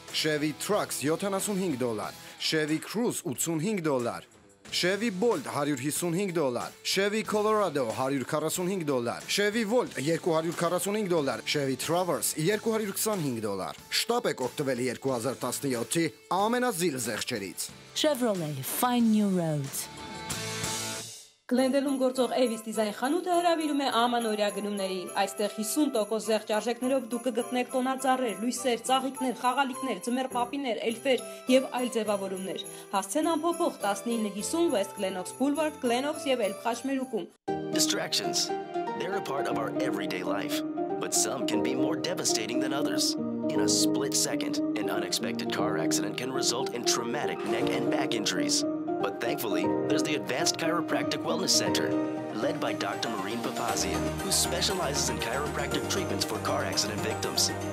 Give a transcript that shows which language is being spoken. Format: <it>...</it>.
<en>Chevy Trax $75, Chevy Cruze $85, Chevy Bolt $155, Chevy Colorado $145, Chevy Volt $245, Chevy Traverse $225.</en> <hy>Շտապեք օգտվել 2017-ի ամենազիլ զեղչերից.</hy> <en>Chevrolet, find new roads.</en> <hy>Գլենդելում գործող Avis Design խանութը հրավիրում է ամանորյա գնումների։ Այստեղ 50% զեղճարժեքներով դուք կգտնեք տոնածառեր, լույսեր, ծաղիկներ, խաղալիքներ, ձմեռպապիներ, էլֆեր եւ այլ ձևավորումներ։ Հասցեն ամփոփող 1950 West Glenox Boulevard, Glenox եւ Elf Խաշմերուկում։</hy> <en>Distractions. They're a part of our everyday life, but some can be more devastating than others. In a split second, an unexpected car accident can result in traumatic neck and back injuries. But thankfully, there's the Advanced Chiropractic Wellness Center, led by Dr. Maureen Papazian, who specializes in chiropractic treatments for car accident victims.</en>